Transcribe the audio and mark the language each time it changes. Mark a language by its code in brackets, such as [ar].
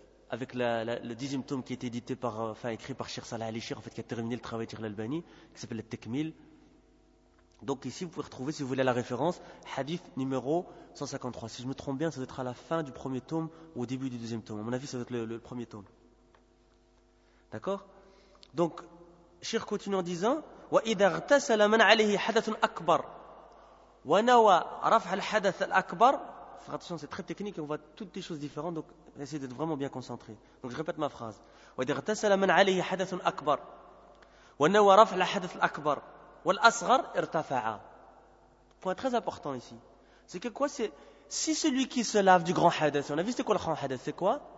[fr] Avec le 10e tome qui a été édité par, écrit par Cheikh Salah Ali Cheikh, en fait, qui a terminé le travail de Cheikh Al-Albani, qui s'appelle le Tekmil. Donc ici, vous pouvez retrouver, si vous voulez la référence, hadith numéro 153. Si je me trompe bien, ça doit être à la fin du premier tome ou au début du deuxième tome. À mon avis, ça doit être le premier tome. D'accord ? Donc, Cheikh continue en disant [ar] « وَإِذَا اغْتَسَلَ مَنْ عَلَيْهِ حَدَثٌ أَكْبَرٌ وَنَوَى رَفْعَ الْحَدَثَ الْأَكْبَرُ. [fr] Faire attention, c'est très technique et on voit toutes les choses différentes, donc essayez d'être vraiment bien concentré. Donc je répète ma phrase. [ar] وَإِغْتَسَلَ مَنْ عَلَيْهِ حَدَثٌ أَكْبَرٌ وَنَوَى رَفْعَ الْحَدَثِ الْأَكْبَرِ وَالْأَصْغَرِ ارْتَفَعَ. [fr] Point très important ici. C'est que quoi? C'est si celui qui se lave du grand hadath, on a vu c'était quoi le grand hadath? C'est quoi?